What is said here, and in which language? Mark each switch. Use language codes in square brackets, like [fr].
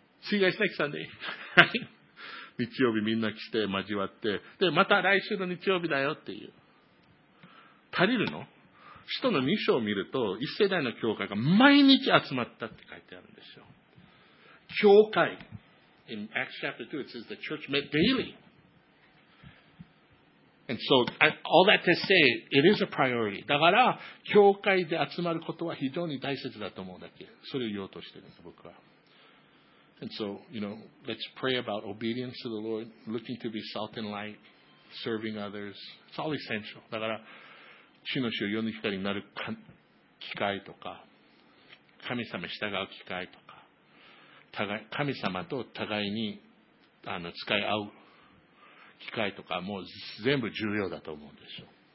[en] See you guys next Sunday. [ja] 日曜日みんな来て交わって、で、また来週の日曜日だよっていう。足りるの？使徒の2章を見ると、一世代の教会が毎日集まったって書いてあるんですよ。教会。 [en] In Acts chapter 2, it says the church met daily. And so, all that to say, it is a priority. [ja] だから、教会で集まることは非常に大切だと思うんだっけ。それを言おうとしてるんです、僕は。 [en] And so, you know, let's pray about obedience to the Lord, looking to be salt and light, serving others. It's all essential. [ja] だから、主の死を世の光になる機会とか、神様に従う機会とか、神様と互いに使い合う機会とか、もう全部重要だと思うんでしょう。